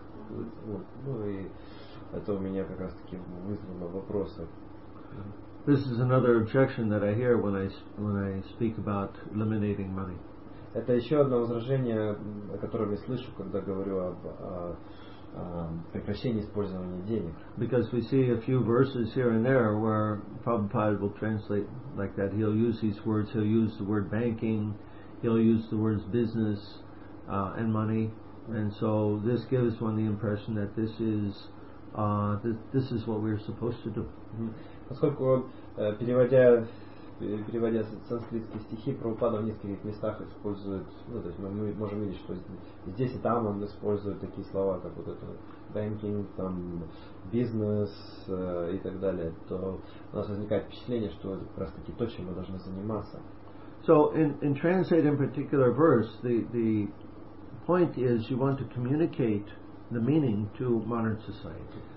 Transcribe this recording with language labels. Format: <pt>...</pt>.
<ru>Вот, ну и это у меня как раз таки вызвано вопросом.</ru> <en>This is another objection that I hear when I speak about eliminating money.</en> <ru>Это еще одно возражение, которое я слышу, когда говорю об прекращении использования денег.</ru> <en>Because we see a few verses here and there where Prabhupada will translate like that. He'll use these words. He'll use the word banking. He'll use the words business and money. And so this gives one the impression that this is what we're supposed to do.</en> <ru>Поскольку переводя санскритские стихи, Прабхупада в нескольких местах использует, ну то есть мы можем видеть, что здесь и там он использует такие слова, как вот это banking, там business и так далее, то у нас возникает впечатление, что это как раз таки то, чем мы должны заниматься.</ru> <en>So in translating particular verse, the point is you want to communicate the meaning to modern society.</en>